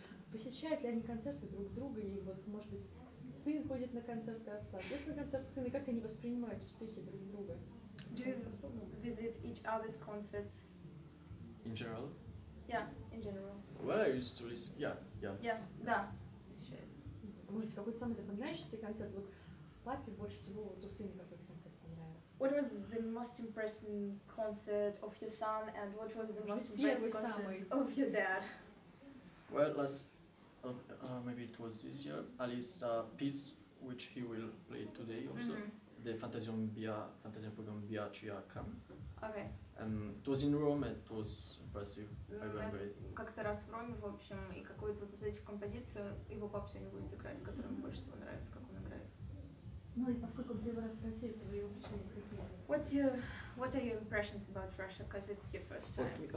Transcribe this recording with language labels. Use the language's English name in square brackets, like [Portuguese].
[Russian] Посещают ли они концерты друг друга, и вот, может быть, сын ходит на концерты отца, идет на концерт сына, как они воспринимают штрихи друг друга? [English] Do you visit each other's concerts? In general? Yeah, in general. Well, I used to listen, yeah. [Russian] Да. Может, какой-то самый запоминающийся концерт, вот папе больше всего, вот у сына какой-то концерт понравился. [English] What was the most impressive concert of your son, and what was the most impressive concert of your dad? Well, maybe it was this year, Alice's piece, which he will play today also, the Fantasium Fugum Bia Chia Cam. Okay. And it was in Rome, it was impressive, I remember it. [Russian] Как-то раз в Роме, в общем, и какую-то вот из этих композиций его папа сегодня будет играть, которая ему больше всего нравится, как он играет. Ну и поскольку первый раз в России, то вы его учили какие-то. [English] What are your impressions about Russia, because it's your first time?